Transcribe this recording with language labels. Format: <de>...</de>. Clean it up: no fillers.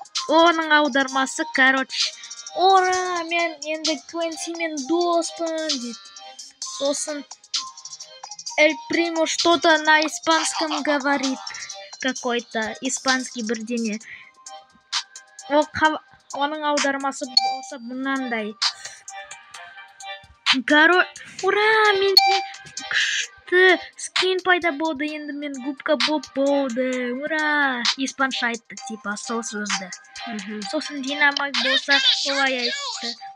<kk>Оның аудармасы, короче, ура, мен енді Квенси мен доспын, дейді.</kk> <ru>Сосын, Эль Примо что-то на испанском говорит, какой-то испанский бірдене.</ru> <kk>Оның аудармасы болса бұнандай. Ура, менде күшті скин пайда болды, енді мен губка боп болды, ура. Испанша айтты, типа, сол сөзді. Сосын динамик болса, олай айтты.</kk>